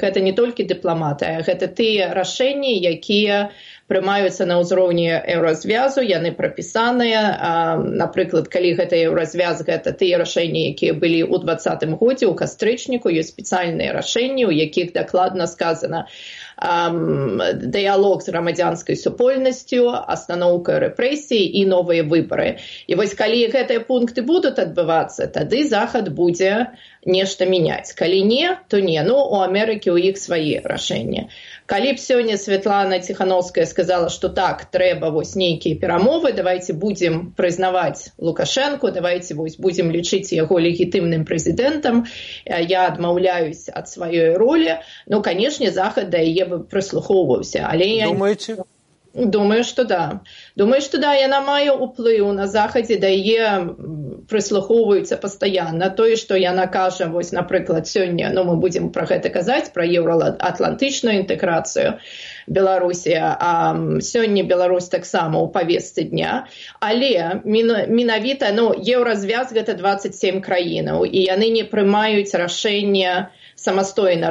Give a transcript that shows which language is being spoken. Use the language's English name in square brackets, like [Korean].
[Belarusian] Гэта не толькі дыпламаты, а гэта тыя рашэнні, якія прымаюцца на ўзроўні Еўразвязу, яны прапісаныя, напрыклад, калі гэта Еўразвяз, гэта тыя рашэнні, якія былі ў 20-м годзе, ў кастрычніку, ёсць спецыяльныя рашэнні, у якіх дакладна сказана дыялог з грамадзянскай супольнасцю, астаноўка рэпрэсій і новыя выбары. І вось калі гэтыя пункты будуць адбывацца, тады Захад будзе нешта мяняць. Калі не, то не. Ну, у Амерыкі ў іх свае рашэнні. Калі б сёння Светлана Ціхановская сказала, [Russian] сказала, что так, треба вось некие перамовы, давайте будем признавать Лукашенко, давайте вось будем лечить его легитимным президентом, я отмовляюсь от своей роли. Ну, конечно, Захад да ее бы прислуховывался. Але думаете? Думаю, что да. [Belarusian] Думаю, что да, яна мае ўплыў на Захадзе, да яе прыслухоўваюцца пастаянна. Тое, што яна кажа, вось, напрыклад, сёння, ну, мы будзем пра гэта казаць, пра еўраатлантычную інтэграцыю Беларусі. Сёння Беларусь таксама ў павестцы дня. Але менавіта, ну, еўразвяз гэта 27 краінаў, і яны не прымаюць рашэнне самастойна.